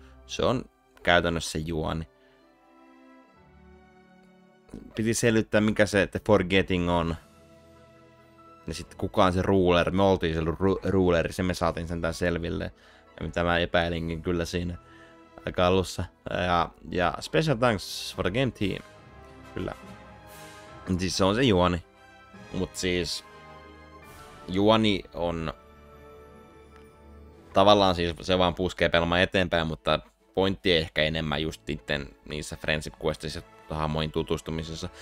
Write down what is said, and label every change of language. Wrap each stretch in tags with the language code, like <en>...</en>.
<fi>Se on käytännössä juoni. Piti selvittää, mikä se the forgetting on. Ja sitten kukaan se ruler, me oltiin se ruler, se me saatiin sen tämän selville. Ja mitä mä epäilinkin kyllä siinä aika alussa.</fi> <en>Ja special thanks for the game team.</en> <fi>Kyllä. Siis se on se juoni. Mut siis juoni on tavallaan siis se vaan puskee pelmaa eteenpäin, mutta pointti ehkä enemmän just sitten niissä friendship questissa. Hahmoihin tutustumisessa.</fi>